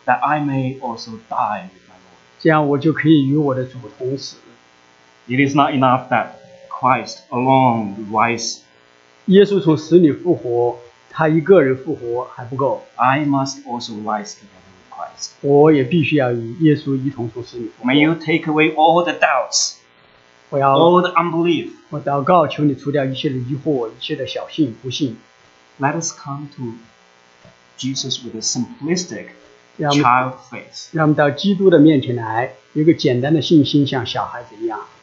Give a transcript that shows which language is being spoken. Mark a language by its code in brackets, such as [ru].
[en] That I may also die with my Lord. [zh] 这样我就可以与我的主同死。 [en] It is not enough that Christ alone rises. [zh] 耶稣从死里复活，他一个人复活还不够。 [en] I must also rise together with Christ. [zh] 我也必须要与耶稣一同从死里复活。 [en] May you take away all the doubts. [zh] 我要, [en] all the unbelief. [zh] 我祷告，求你除掉一切的疑惑，一切的小信不信。 [en] Let us come to Jesus with a simplistic child faith. [zh] 让我们到基督的面前来，有个简单的信心，像小孩子一样。